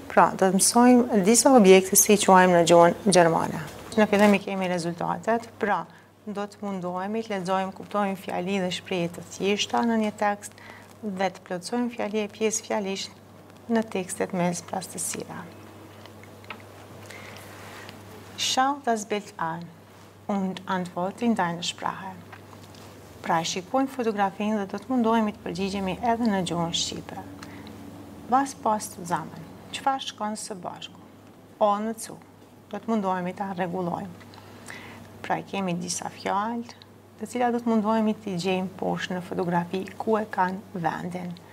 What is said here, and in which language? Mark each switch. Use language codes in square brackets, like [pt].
[sq] Pra, do të mësojmë disa objekte si quajmë në gjuhën gjermane. Në fillim kemi rezultatet. Pra, do të mundohemi të lexojmë, kuptojmë fjali dhe shprehje të thjeshta në një tekst dhe të plotësojmë fjali e pjesë fjalisht në tekstet me sprastësira. [de] Schau das Bild an und antworte in deiner Sprache. [sq] Pra shikojmë fotografinë dhe do të mundohemi të përgjigjemi edhe në gjuhën shqipe. [de] Was passt zusammen? [sq] Çfarë shkon së bashku? O në cu. Do të mundohemi ta rregullojmë. Pra kemi disa fjalë, të cilat do të mundohemi të gjejmë poshtë në fotografi ku e kanë vendin.